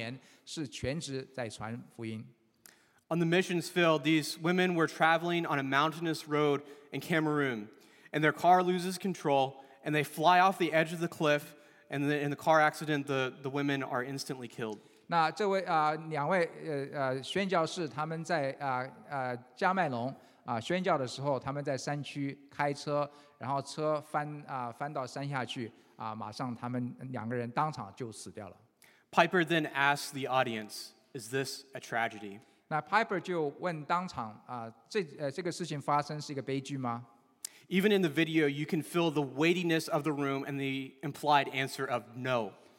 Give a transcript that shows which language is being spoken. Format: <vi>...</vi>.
<zh>那么这两位姐妹，她们一生都当中都是极力为主传福音，她们已经80岁了，所以说她们后边的20年是全职在传福音。</zh> <en>On the missions field, these women were traveling on a mountainous road in Cameroon, and their car loses control, and they fly off the edge of the cliff, and in the car accident, the women are instantly killed.</en> <zh>那这位两位宣教士，他们在加麦隆。宣教的时候，他们在山区开车，然后车翻到山下去，马上他们两个人当场就死掉了。Piper</zh> <en>then asked the audience, "Is this a tragedy?"</en> <zh>那 Piper 就问当场，这个事情发生是一个悲剧吗？</zh> <en>Even in the video, you can feel the weightiness of the room and the implied answer of no.</en>